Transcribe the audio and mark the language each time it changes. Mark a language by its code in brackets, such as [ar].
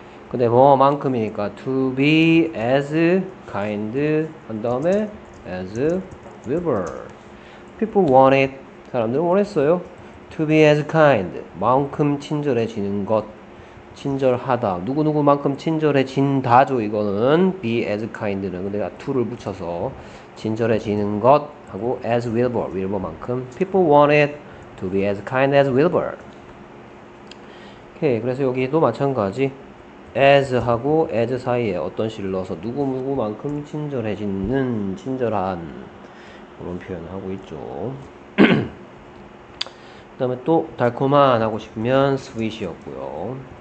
[ko] 근데 뭐만큼이니까 [en] to be as kind [ko] 한 다음에 [en] as we were. People want it. [ko] 사람들은 원했어요. [en] To be as kind. [ko] 만큼 친절해지는 것. 친절하다. 누구누구만큼 친절해진다죠, 이거는. [en] be as kind는. [ko] 근데 to를 붙여서 친절해지는 것. 하고 [en] as Wilbur. [ko] Wilbur만큼. [en] People want it to be as kind as Wilbur. [ko] 오케이. 그래서 여기도 마찬가지. as 하고 as 사이에 어떤 시를 넣어서 누구누구만큼 친절해지는, 친절한. 그런 표현을 하고 있죠. 그 다음에 또 달콤한 하고 싶으면 sweet이었고요.